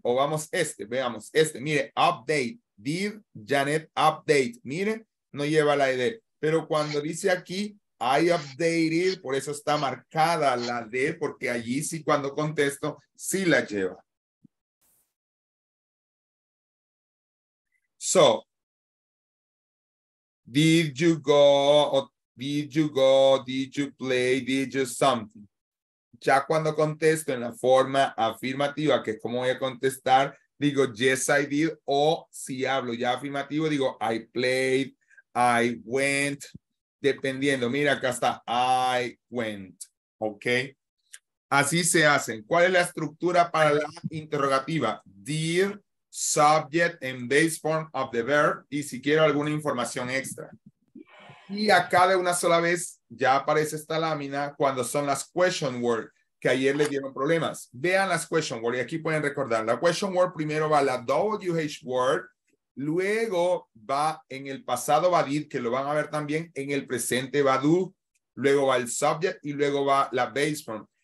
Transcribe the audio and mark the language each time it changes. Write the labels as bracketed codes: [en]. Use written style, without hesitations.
[es] O vamos este, veamos este. Mire, update. [en] Did Janet update? [es] Mire, no lleva la idea. Pero cuando dice aquí, [en] I updated, [es] por eso está marcada la D, porque allí sí cuando contesto, sí la lleva. [en] So, did you go, did you play, did you something? [es] Ya cuando contesto en la forma afirmativa, que es como voy a contestar, digo, [en] yes, I did. [es] O si hablo ya afirmativo, digo, [en] I played, I went, [es] dependiendo. Mira, acá está, [en] I went, [es] ¿ok? Así se hacen. ¿Cuál es la estructura para la interrogativa? [en] Did, subject, and base form of the verb. [es] Y si quiero alguna información extra. Y acá de una sola vez, ya aparece esta lámina cuando son las question words que ayer les dieron problemas. Vean las question words y aquí pueden recordar. La question word primero va la WH word, luego va en el pasado va did, que lo van a ver también, en el presente va do, luego va el subject y luego va la base form.